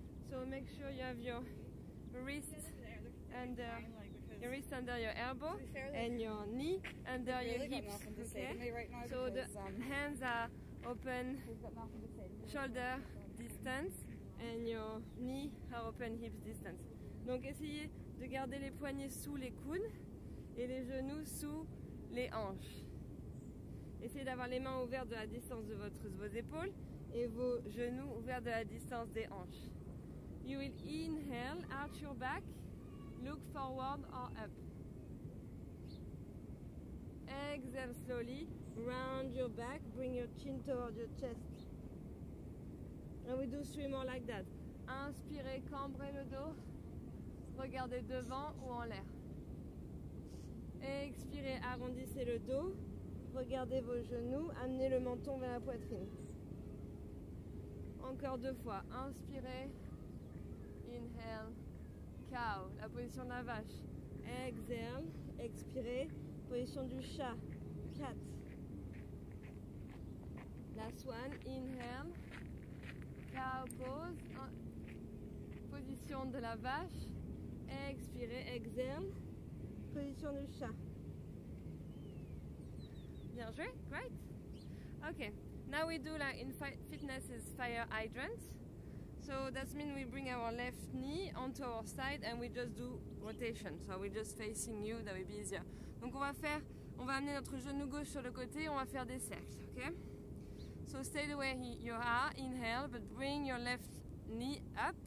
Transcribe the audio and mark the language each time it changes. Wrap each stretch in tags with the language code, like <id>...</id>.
<en>So make sure you have your wrist under. Your wrist under your elbow and your knee under your hips. Okay. So the hands are open shoulder distance and your knee are open hips distance.</en> <fr>Donc essayez de garder les poignets sous les coudes et les genoux sous les hanches. Essayez d'avoir les mains ouvertes de la distance de vos épaules et vos genoux ouverts de la distance des hanches.</fr> <en>You will inhale, arch your back. Look forward or up. Exhale slowly, round your back, bring your chin toward your chest. And we do three more like that.</en> <fr>Inspirez, cambrez le dos, regardez devant ou en l'air. Expirez, arrondissez le dos, regardez vos genoux, amenez le menton vers la poitrine. Encore deux fois, inspirez, inhale. Cow, la position de la vache. Exhale, expirez. Position du chat. Cat.</fr> <en>Last one, inhale. Cow, pose.</en> <fr>Position de la vache. Expirez, exhale. Position du chat. Bien joué,</fr> <en>great. Ok, now we do like in fitness is fire hydrant. So that means we bring our left knee onto our side and we just do rotation. So we're just facing you, that would be easier.</en> <fr>Donc on va amener notre genou gauche sur le côté, on va faire des cercles, ok?</fr> <en>So stay the way you are, inhale, but bring your left knee up.</en>